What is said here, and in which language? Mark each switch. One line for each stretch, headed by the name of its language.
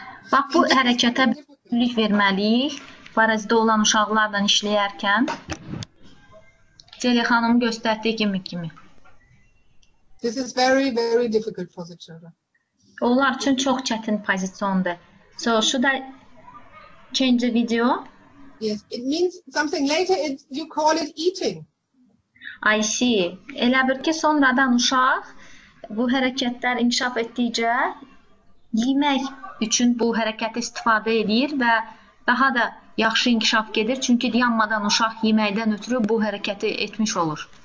Azerbaijani: Bak, bu hərəkətə büyük verməliyik. Parazitə olan uşaqlarla işləyərkən. Zeliha Hanım göstərdiyi kimi.
English: This is very, very difficult for the children.
Azerbaijani: Onlar üçün çox çətin pozisiyondur.
English: So, should I change the video? Yes, it means something later, you call it eating. I see.
Azerbaijani: Elə bir ki, sonradan uşaq bu hərəkətlər inkişaf etdikcə yemək üçün bu hərəkəti istifadə edir və daha da yaxşı inkişaf gedir. Çünki yanmadan uşaq yeməkdən ötürü bu hərəkəti etmiş olur.